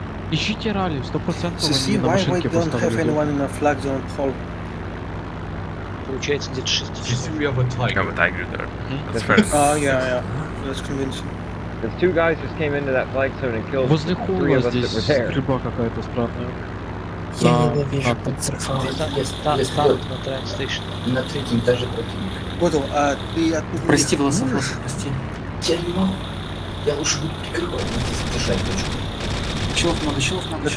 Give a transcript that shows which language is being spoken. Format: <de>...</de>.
<ru>Ищите ралли, 100% они на машинке поставили.</ru> <en>Why we don't have anyone in a flag zone hall?</en> <ru>Получается где-то 6 часов.</ru> <en>Did you have a tiger? Oh, yeah, yeah. That's convincing. Because two guys just came into that flag zone and killed three of us that were there.</en> <ru>Возле хула здесь стрельба какая-то странная. Я его вижу под церковью. Здесь танк на трэн стейшн. На третьем этаже противника. Понял, а ты оттуда... Прости, Волосов, прости. Я не могу. Я лучше буду прикрывать, но здесь держать точку. Челов много.</ru>